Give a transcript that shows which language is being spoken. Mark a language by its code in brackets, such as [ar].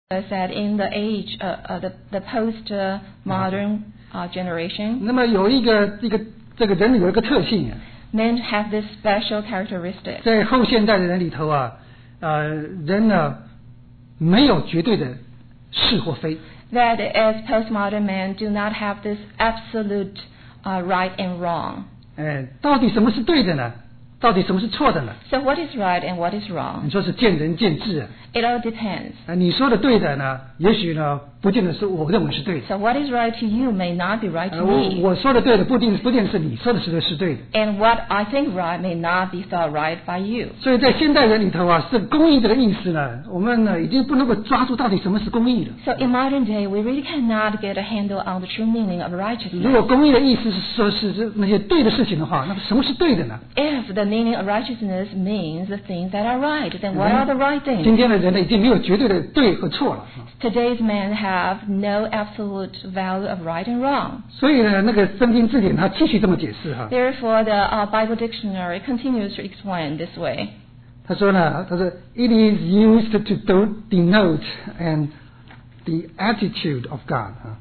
[en] I said in the age, the post-modern generation. [zh] 那么有一个这个人有一个特性。 [en] Men have this special characteristic. [zh] 在后现代的人里头啊，人呢没有绝对的是或非。 [en] That as post-modern men do not have this absolute right and wrong. [zh] 到底什么是对的呢？到底什么是错的呢？ [en] So what is right and what is wrong? [zh] 你说是见仁见智。 [en] It all depends. [zh] 你说的对的呢，也许呢，不见得是我认为是对的。 [en] So what is right to you may not be right to me. [zh] 我说的对的，不一定是你说的是对的。 [en] And what I think right may not be thought right by you. [zh] 所以在现代人里头啊，是公义这个意思呢，我们呢已经不能够抓住到底什么是公义了。 [en] So in modern day, we really cannot get a handle on the true meaning of righteousness. [zh] 如果公义的意思是说是那些对的事情的话，那么什么是对的呢？ [en] If the meaning of righteousness means the things that are right, then what are the right things? [zh] 今天的人已经没有绝对的对和错了。 [en] Today's man have no absolute value of right and wrong. [zh] 所以呢，那个圣经字典它继续这么解释哈。 [en] Therefore, the Bible dictionary continues to explain this way. [zh] 他说 [en] it is used to denote and the attitude of God.